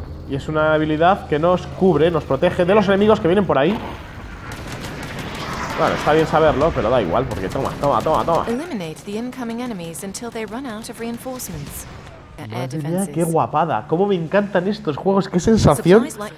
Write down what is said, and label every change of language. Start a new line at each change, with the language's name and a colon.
Spanish: Y es una habilidad que nos cubre, nos protege de los enemigos que vienen por ahí. Bueno, está bien saberlo, pero da igual, porque toma.
English: Eliminate the incoming enemies until they run out of reinforcements.
Spanish: Madre mía, qué guapada. Cómo me encantan estos juegos, qué sensación.